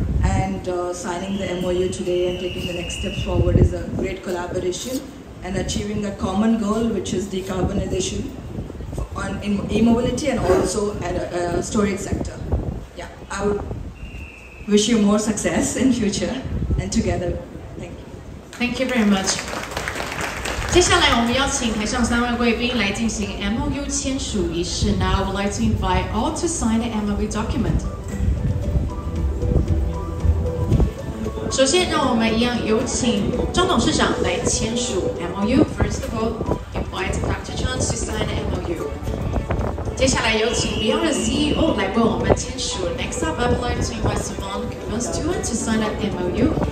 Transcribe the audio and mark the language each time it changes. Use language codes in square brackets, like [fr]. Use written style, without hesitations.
[en] And signing the MOU today and taking the next step forward is a great collaboration and achieving a common goal, which is decarbonization in e-mobility and also at a storage sector. Yeah, I would wish you more success in future and together. Thank you. Thank you very much. [zh] 接下来我们邀请台上三位贵宾来进行 MOU 签署仪式。 [en] Now I would like to invite all to sign the MOU document. [zh] 首先让我们一样有请张董事长来签署 MOU. [en] First of all, invite Dr. Chang to sign the MOU. [zh] 接下来有请 Beyond the CEO 来为我们签署 [en] Next up, I would like to invite Simon Kevin Stewart to sign the MOU.